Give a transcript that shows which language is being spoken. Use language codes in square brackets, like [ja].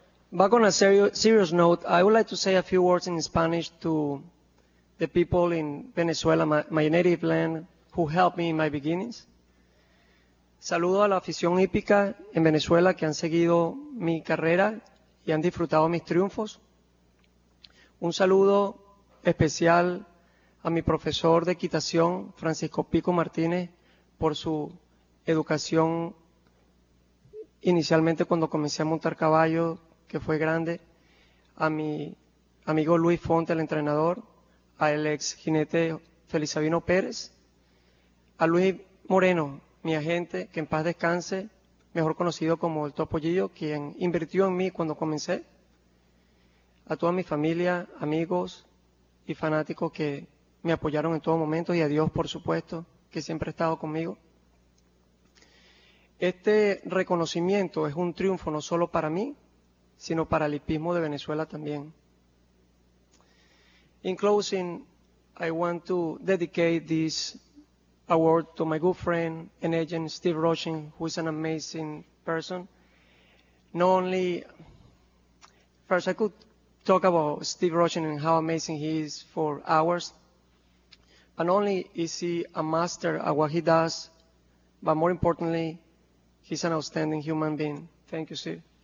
[en] Back on a serious note, I would like to say a few words in Spanish to the people in Venezuela, my native land, who helped me in my beginnings. [es] Saludo a la afición hípica en Venezuela que han seguido mi carrera y han disfrutado mis triunfos. Un saludo especial a mi profesor de equitación, Francisco Pico Martínez, por su educación inicialmente cuando comencé a montar caballo, que fue grande, a mi amigo Luis Fonte, el entrenador, al ex jinete Felisabino Pérez, a Luis Moreno, mi agente, que en paz descanse, mejor conocido como el Topollillo, quien invirtió en mí cuando comencé, a toda mi familia, amigos y fanáticos que me apoyaron en todo momento, y a Dios, por supuesto, que siempre ha estado conmigo. Este reconocimiento es un triunfo no solo para mí, sino para el hipismo de Venezuela también. [en] In closing, I want to dedicate this award to my good friend and agent, Steve Rochin, who is an amazing person. Not only, first I could talk about Steve Rochin and how amazing he is for hours, but not only is he a master at what he does, but more importantly, he's an outstanding human being. Thank you, Steve.